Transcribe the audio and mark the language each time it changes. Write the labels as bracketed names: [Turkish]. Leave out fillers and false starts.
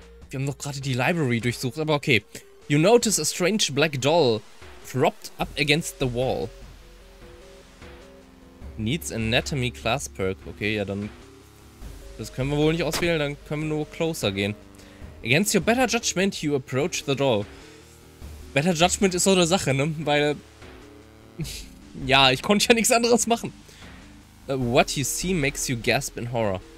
[German] Wir haben doch gerade die Library durchsucht, aber okay. [English] You notice a strange black doll... Propped up against the wall. Needs anatomy class perk. [German] Okay, ja dann... Das können wir wohl nicht auswählen, dann können wir nur closer gehen. [English] Against your better judgment, you approach the doll. [German] Better judgment ist so eine Sache, ne? Weil, ja, ich konnte ja nichts anderes machen. [English] What you see makes you gasp in horror.